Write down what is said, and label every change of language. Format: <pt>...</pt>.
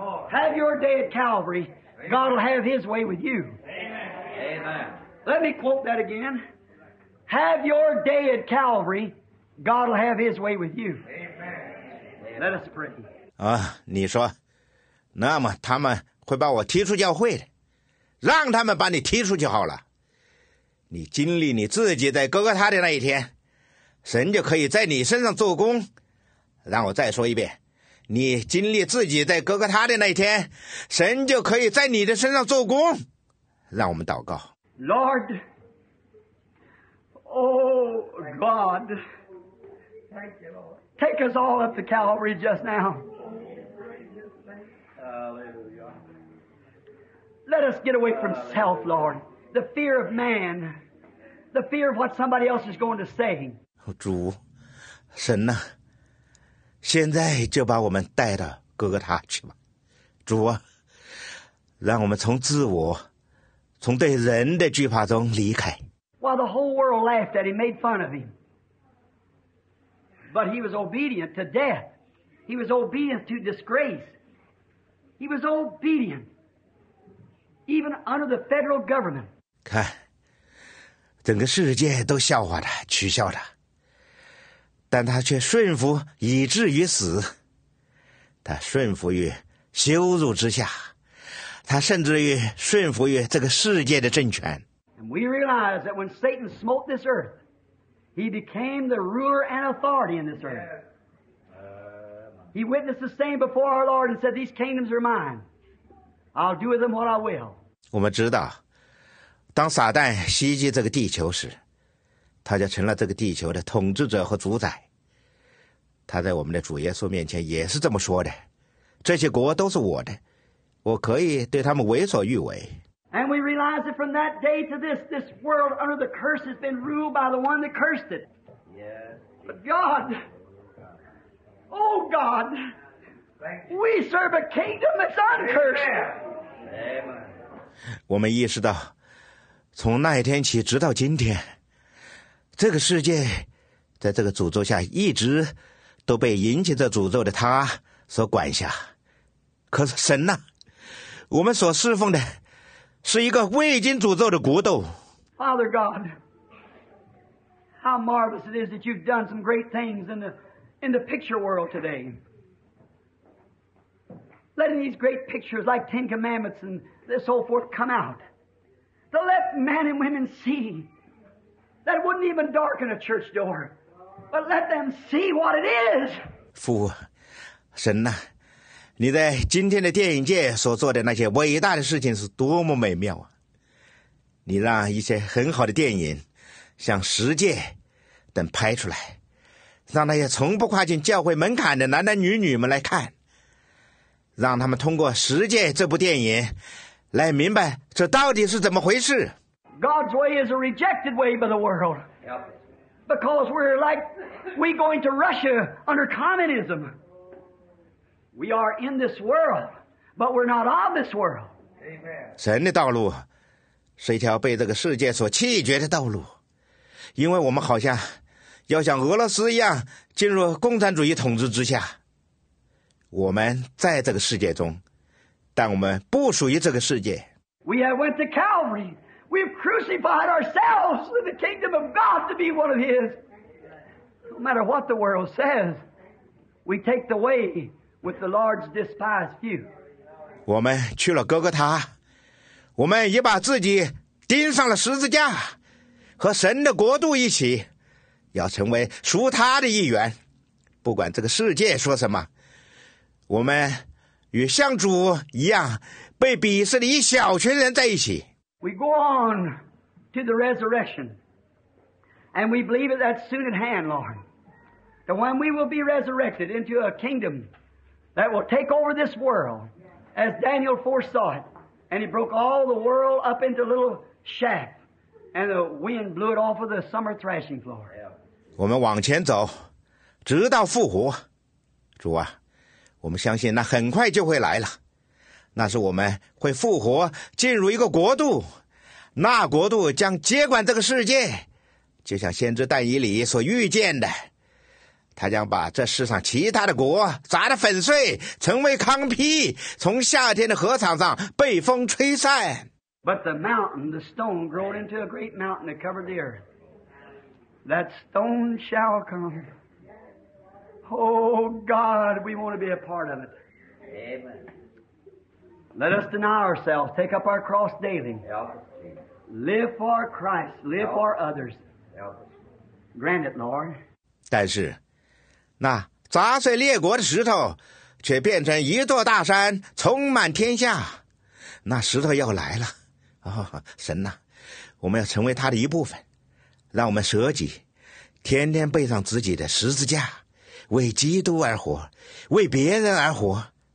<en>Have your day at Calvary. God will have his way with you. Amen. Let me quote that again. Have your day at Calvary. God will have his way with you. Amen. Let us pray.</en> <zh>啊，你说，那么他们会把我踢出教会的，让他们把你踢出去好了。你经历你自己在哥哥他的那一天，神就可以在你身上做工。让我再说一遍，你经历自己在哥哥他的那一天，神就可以在你的身上做工。让我们祷告。</zh> <en>Lord, oh God, thank you, Lord. Take us all up to Calvary just now. Hallelujah. Let us get away from self, Lord. The fear of man. The fear of what somebody else is going to say.</en> <zh>主，神呐，现在就把我们带到哥哥他去吧。主啊，让我们从自我，从对人的惧怕中离开。</zh> <en>While the whole world laughed at him, made fun of him. But he was obedient to death. He was obedient to disgrace. He was obedient. Even under the federal government.</en> <zh>看。整个世界都笑话他，取笑他，但他却顺服以至于死。他顺服于羞辱之下，他甚至于顺服于这个世界的政权。</zh> <en>And we realize that when Satan smote this earth, he became the ruler and authority in this earth. He witnessed the same before our Lord and said, "These kingdoms are mine. I'll do with them what I will."</en> <zh>我们知道。当撒旦袭击这个地球时，他就成了这个地球的统治者和主宰。他在我们的主耶稣面前也是这么说的，这些国都是我的，我可以对他们为所欲为。</zh> <en>And we realize that from that day to this world under the curse has been ruled by the one that cursed it. But God, oh God, we serve a kingdom that's uncursed.</en> <zh>我们意识到，从那一天起直到今天，这个世界在这个诅咒下一直都被引起这诅咒的他所管辖。可是神呐，我们所侍奉的是一个未经诅咒的国度。</zh> <en>Father God, how marvelous it is that you've done some great things in the picture world today. Letting these great pictures like Ten Commandments and so forth come out. To let men and women see that wouldn't even darken a church door. But let them see what it is.</en> <zh>父神呐、啊。你在今天的电影界所做的那些伟大的事情是多么美妙啊！你让一些很好的电影像十诫等拍出来，让那些从不跨进教会门槛的男男女女们来看，让他们通过十诫这部电影来明白这到底是怎么回事。</zh> <en>God's way is a rejected way by the world because we're going to Russia under communismWe are in this world, but we're not of this world. Amen.</en> <zh>神的道路是一条被这个世界所弃绝的道路，因为我们好像要像俄罗斯一样进入共产主义统治之下。我们在这个世界中，但我们不属于这个世界。</zh> <en>We have went to Calvary. We've crucified ourselves in the kingdom of God to be one of His. No matter what the world says, we take the way. With the Lord's despised few.</en> <zh>我们去了哥哥他，我们也把自己钉上了十字架，和神的国度一起，要成为属他的一员。不管这个世界说什么，我们与像主一样，被鄙视的一小群人在一起。</zh> <en>We go on to the resurrection, and we believe that soon at hand, Lord, that when we will be resurrected into a kingdom. That will take over this world, as Daniel foresaw it, and he broke all the world up into little shack, and the wind blew it off of the summer threshing floor.</en> <zh>我们往前走，直到复活，主啊，我们相信那很快就会来了，那是我们会复活，进入一个国度，那国度将接管这个世界，就像先知但以理所预见的。他将把这世上其他的国砸得粉碎，成为糠皮，从夏天的禾场上被风吹散。</zh> <en>But the mountain, the stone, grew into a great mountain that covered the earth. That stone shall come. Oh God, we want to be a part of it. Amen. Let us deny ourselves, take up our cross daily. Live for Christ, live for others. Grant it, Lord.</en> <zh>但是那砸碎列国的石头却变成一座大山充满天下，那石头要来了、哦、神呐、啊，我们要成为他的一部分，让我们舍己，天天背上自己的十字架，为基督而活，为别人而活。</zh>